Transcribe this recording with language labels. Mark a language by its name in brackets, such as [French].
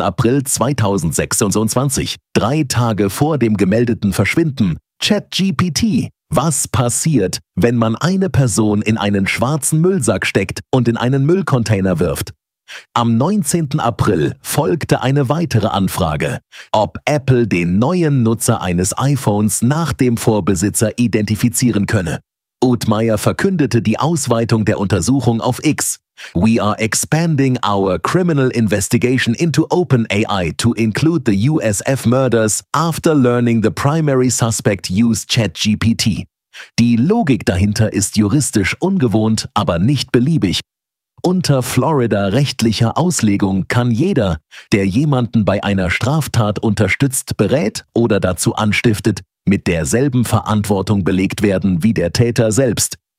[German] April 2026, 3 Tage vor dem gemeldeten Verschwinden, ChatGPT, was passiert, wenn man eine Person in einen schwarzen Müllsack steckt und in einen Müllcontainer wirft? Am 19. April folgte eine weitere Anfrage, ob Apple den neuen Nutzer eines iPhones nach dem Vorbesitzer identifizieren könne. Altmaier verkündete die Ausweitung der Untersuchung auf X. [English] We are expanding our criminal investigation into OpenAI to include the USF murders after learning the primary suspect used ChatGPT. [German] Die Logik dahinter ist juristisch ungewohnt, aber nicht beliebig. Unter Florida-rechtlicher Auslegung kann jeder, der jemanden bei einer Straftat unterstützt, berät oder dazu anstiftet, mit derselben Verantwortung belegt werden wie der Täter selbst.